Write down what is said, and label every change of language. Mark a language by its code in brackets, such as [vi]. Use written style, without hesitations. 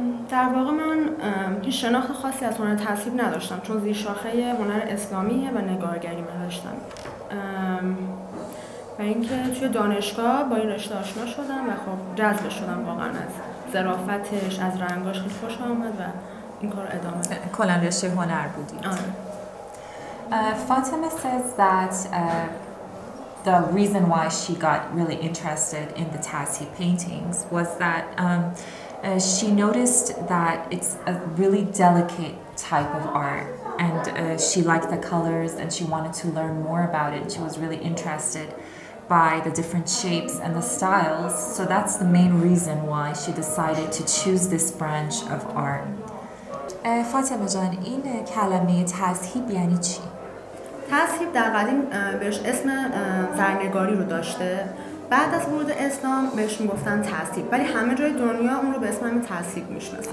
[fa] در واقع من هیچ شناخت خاصی از هنر تذهیب نداشتم چون زیر شاخه هنر اسلامیه و نگارگری نداشتم و اینکه توی دانشگاه با این رشته آشنا شدم و خب جذب شدم واقعا از ظرافتش از رنگاش خیلی خوش آمد و این کار ادامه دارم کلن رشته هنر بودید آره [en] فاطمه says that the reason why she got really interested in the Tazhib paintings was that she noticed that it's a really delicate type of art and she liked the colors and she wanted to learn more about it. She was really interested by the different shapes and the styles. So that's the main reason why she decided to choose this branch of art. [fa] فاطمه جان این کلمه تذهیب یعنی چی؟ تذهیب در قدیم بهش اسم زرنگاری رو داشته بعد از ورود اسلام بهش میگفتن تذهیب ولی همه جای دنیا اون رو به اسم تذهیب میشناسن